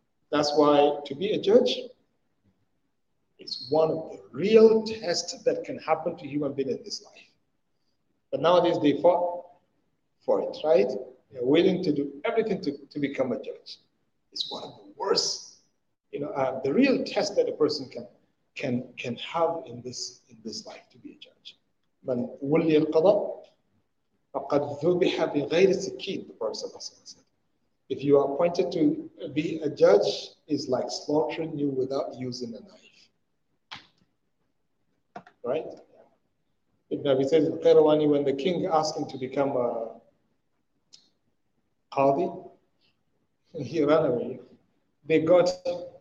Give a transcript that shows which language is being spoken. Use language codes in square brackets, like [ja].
[en] That's why to be a judge is one of the real tests that can happen to human being in this life. But nowadays they fought for it, right? They're willing to do everything to become a judge. It's one of the worst. You know, the real test that a person can have in this life to be a judge. [ar] من ولي القضاء فقد ذبح بغير سكين, [en] the Prophet said. If you are appointed to be a judge, it's like slaughtering you without using a knife. Right? Ibn Abi Sa'id al-Qayrawani, when the king asked him to become a qadi, he ran away. They got him.